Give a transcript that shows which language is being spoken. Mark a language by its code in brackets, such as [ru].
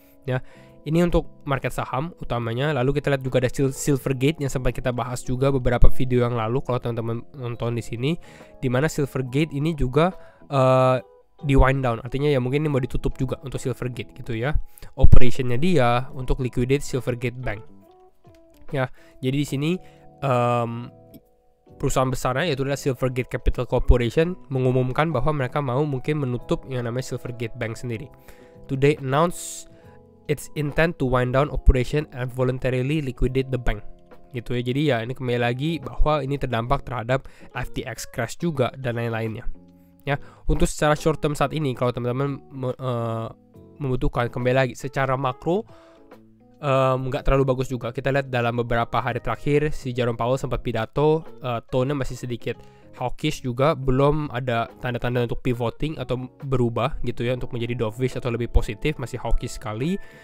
[id] Ya, ini untuk market saham utamanya. Lalu kita lihat juga ada Silvergate yang sempat kita bahas juga beberapa video yang lalu kalau teman-teman nonton di sini, di mana Silvergate ini juga di wind down, artinya ya mungkin ini mau ditutup juga untuk Silvergate gitu ya, operationnya dia untuk liquidate Silvergate Bank. Ya, jadi di sini perusahaan besarnya yaitu adalah Silvergate Capital Corporation mengumumkan bahwa mereka mau mungkin menutup yang namanya Silvergate Bank sendiri. [en] Today announce its intent to wind down operation and voluntarily liquidate the bank. [id] Gitu ya. Jadi ya ini kembali lagi bahwa ini terdampak terhadap FTX crash juga dan lain-lainnya. Ya, untuk secara short term saat ini kalau teman-teman membutuhkan, kembali lagi secara makro enggak terlalu bagus juga. Kita lihat dalam beberapa hari terakhir si Jerome Powell sempat pidato, tone-nya masih sedikit hawkish juga, belum ada tanda-tanda untuk pivoting atau berubah gitu ya untuk menjadi dovish atau lebih positif, masih hawkish sekali.